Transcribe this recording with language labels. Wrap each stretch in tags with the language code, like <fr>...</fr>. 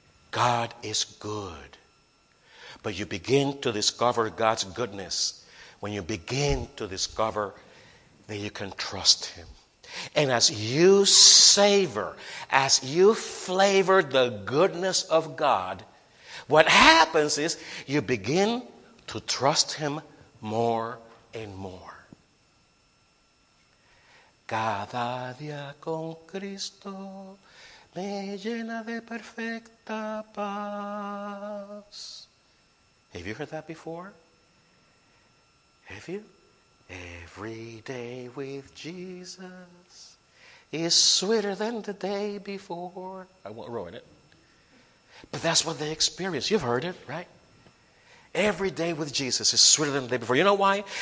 <en>God is good. But you begin to discover God's goodness when you begin to discover that you can trust Him. And as you savor, as you flavor the goodness of God, what happens is you begin to trust Him more and more.</en> <es>Cada día con Cristo me llena de perfecta paz.</es> <en>Have you heard that before? Have you? Every day with Jesus is sweeter than the day before. I won't ruin it. But that's what they experience. You've heard it, right? Every day with Jesus is sweeter than the day before. You know why?</en>